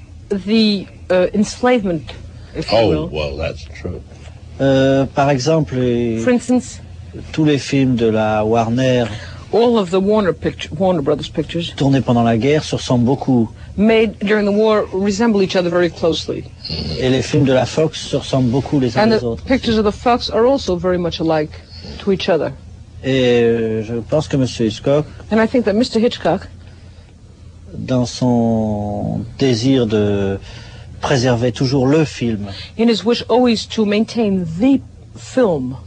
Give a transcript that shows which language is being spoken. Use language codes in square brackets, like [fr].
[en] The enslavement, if you will. Oh, well, that's true. [fr] Par exemple. [en] For instance. [fr] Tous les films de la Warner. [en] All of the Warner Brothers pictures. [fr] Tournés pendant la guerre se ressemblent beaucoup. [en] Made during the war resemble each other very closely. [fr] Et les films de la Fox se ressemblent beaucoup les uns [en] and [fr] les [en] the [fr] autres. [en] Pictures of the Fox are also very much alike to each other. [fr] Et je pense que Monsieur Hitchcock. [en] And I think that Mr. Hitchcock. [fr] Dans son désir de préserver toujours le film. [en] In his wish always to maintain the film.